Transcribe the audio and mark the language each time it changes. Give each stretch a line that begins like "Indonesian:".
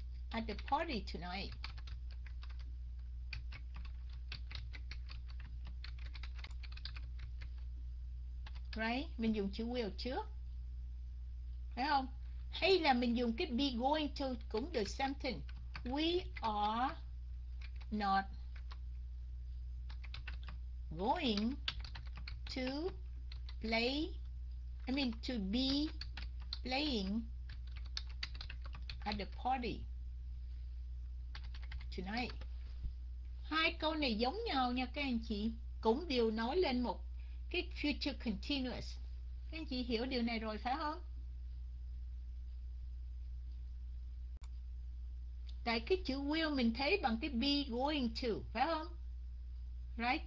English: At the party tonight.
Vietnamese: Right? Mình dùng chữ will trước. Phải không? Hay là mình dùng cái be going to cũng được, something.
English: We are not going to play, I mean to be playing at the party tonight.
Vietnamese: Hai câu này giống nhau nha các anh chị, cũng đều nói lên một cái future continuous. Các anh chị hiểu điều này rồi phải không? Tại cái chữ will mình thấy bằng cái be going to, phải không? Right?